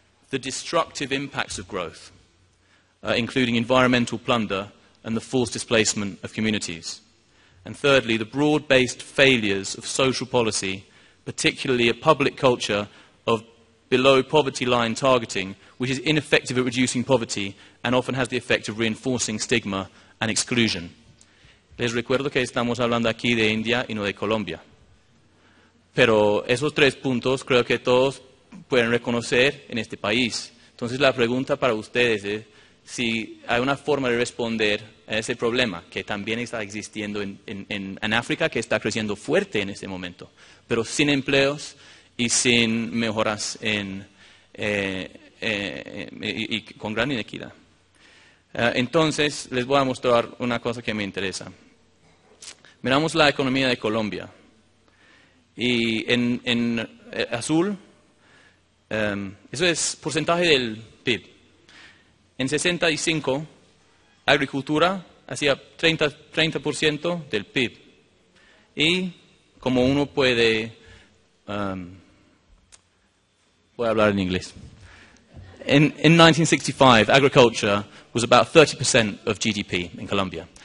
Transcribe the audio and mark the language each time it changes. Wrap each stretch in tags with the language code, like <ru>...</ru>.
<en>The destructive impacts of growth, including environmental plunder and the forced displacement of communities. And thirdly, the broad-based failures of social policy, particularly a public culture of below poverty line targeting, which is ineffective at reducing poverty and often has the effect of reinforcing stigma and exclusion.</en> <es>Les recuerdo que estamos hablando aquí de India y no de Colombia. Pero esos tres puntos creo que todos pueden reconocer en este país. Entonces la pregunta para ustedes es si hay una forma de responder a ese problema que también está existiendo en África, que está creciendo fuerte en este momento, pero sin empleos y sin mejoras y con gran inequidad. Entonces les voy a mostrar una cosa que me interesa. Miramos la economía de Colombia. Y en azul, eso es porcentaje del PIB. En 65, agricultura hacía 30% del PIB. Y como uno puede, voy a hablar en inglés.</es> <en>In 1965, agriculture was about 30% of GDP in Colombia.</en>